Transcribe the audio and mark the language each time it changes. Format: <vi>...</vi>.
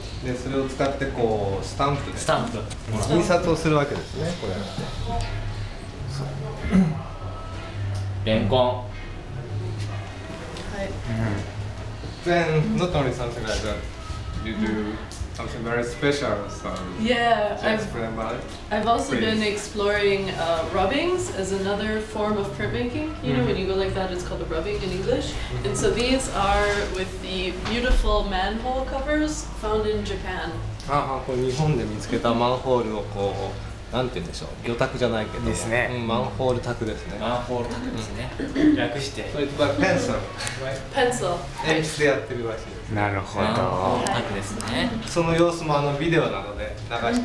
<ja>で、それを使ってこうスタンプで。スタンプ。印刷をするわけですね、これ。 rinkon。</ja> <en>Then not only something like that, you do something very special. So yeah, I've also been exploring rubbings as another form of printmaking. You know, when you go like that, it's called a rubbing in English. And so these are with the beautiful manhole covers found in Japan.</en> <ja>Ah, こう日本で見つけたマンホールをこうなんて言うんでしょう、魚拓じゃないけどですね、マンホール拓ですね、マンホール拓ですね、略してそれとはペンソル、ペンソル鉛筆でやってるらしいです。なるほど、マンホール拓ですね。その様子もあのビデオなどで流してい</ja>